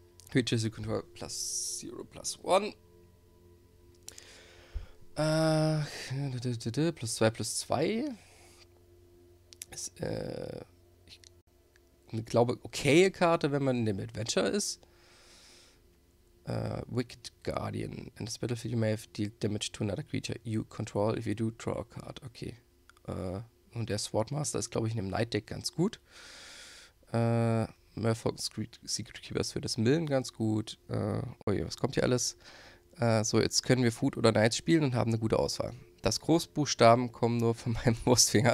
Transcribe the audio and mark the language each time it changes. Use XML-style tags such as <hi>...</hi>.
<en>Creatures you control +0/+1. +2/+2.</en> <de>Ist, ich glaube, okay Karte, wenn man in dem Adventure ist.</de> <en>Wicked Guardian. In this battlefield you may have dealt damage to another creature you control. If you do, draw a card. Okay.</en> <de>Und der Swordmaster ist, glaube ich, in dem Knight Deck ganz gut. Merfolk Secret Keeper ist für das Millen ganz gut. Oh je, was kommt hier alles? So, jetzt können wir Food oder Knights spielen und haben eine gute Auswahl. Das Großbuchstaben kommen nur von meinem Wurstfinger.</de>